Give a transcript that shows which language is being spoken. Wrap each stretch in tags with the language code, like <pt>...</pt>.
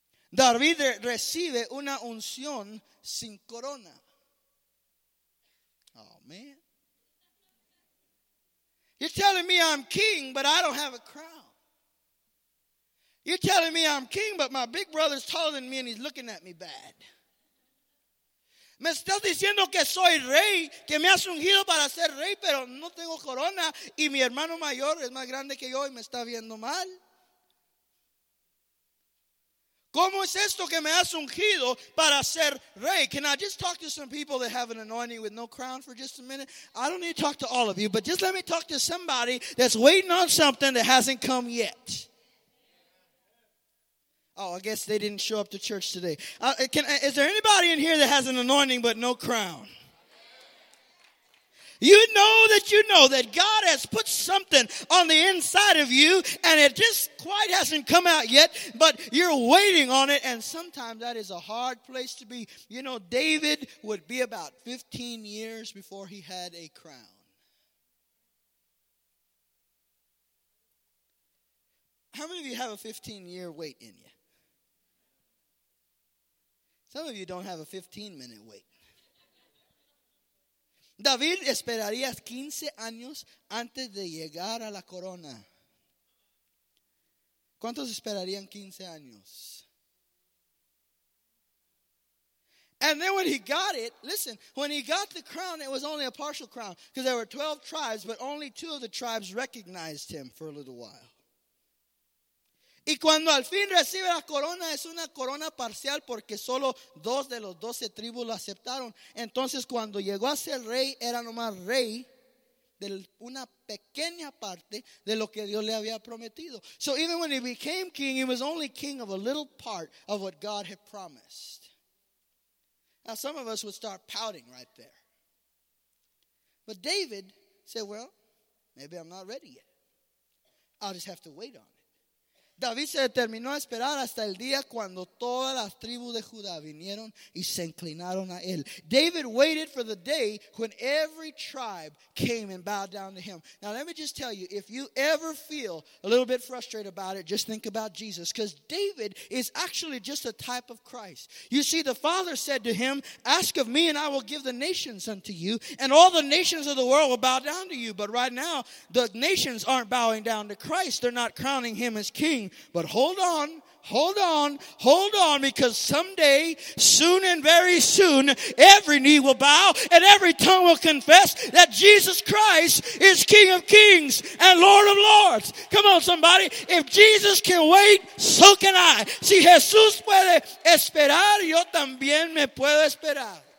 <es>David recibe una unción sin corona.</es> <en>Oh, man. You're telling me I'm king, but I don't have a crown. You're telling me I'm king, but my big brother's taller than me and he's looking at me bad. Me estás diciendo que soy rey, que me has ungido para ser rey, pero no tengo corona. Y mi hermano mayor es más grande que yo y me está viendo mal. ¿Cómo es esto que me has ungido para ser rey? Can I just talk to some people that have an anointing with no crown for just a minute? I don't need to talk to all of you, but just let me talk to somebody that's waiting on something that hasn't come yet. Oh, I guess they didn't show up to church today. Is there anybody in here that has an anointing but no crown? You know that you know that God has put something on the inside of you and it just quite hasn't come out yet, but you're waiting on it, and sometimes that is a hard place to be. You know, David would be about 15 years before he had a crown. How many of you have a 15-year wait in you? Some of you don't have a 15-minute wait.</en> <es>David esperaría 15 años antes de llegar a la corona. ¿Cuántos esperarían 15 años?</es> <en>And then when he got it, listen, when he got the crown, it was only a partial crown. Because there were 12 tribes, but only two of the tribes recognized him for a little while.</en> <es>Y cuando al fin recibe la corona, es una corona parcial porque solo dos de los 12 tribus lo aceptaron. Entonces cuando llegó a ser rey, era nomás rey de una pequeña parte de lo que Dios le había prometido.</es> <en>So even when he became king, he was only king of a little part of what God had promised. Now some of us would start pouting right there. But David said, well, maybe I'm not ready yet. I'll just have to wait on it.</en> <es>David se determinó a esperar hasta el día cuando todas las tribus de Judá vinieron y se inclinaron a él.</es> <en>David waited for the day when every tribe came and bowed down to him. Now let me just tell you, if you ever feel a little bit frustrated about it, just think about Jesus. Because David is actually just a type of Christ. You see, the Father said to him, ask of me and I will give the nations unto you. And all the nations of the world will bow down to you. But right now, the nations aren't bowing down to Christ. They're not crowning him as king. But hold on, hold on, hold on, because someday, soon and very soon, every knee will bow and every tongue will confess that Jesus Christ is King of Kings and Lord of Lords. Come on, somebody. If Jesus can wait, so can I.</en> <es>Si Jesús puede esperar, yo también me puedo esperar.</es>